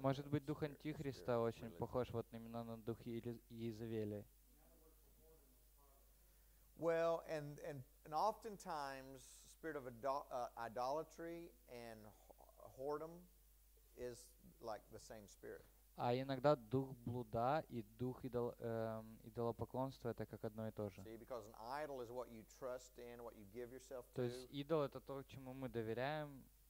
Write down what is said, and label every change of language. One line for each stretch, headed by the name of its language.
Russian: Может быть, дух Антихриста очень похож вот именно на дух Иезавели.
English: Well, and oftentimes spirit of idolatry and whoredom is like the same spirit.
Russian: А иногда дух блуда и дух идолопоклонства это как одно и то же. То есть идол это то, чему мы доверяем.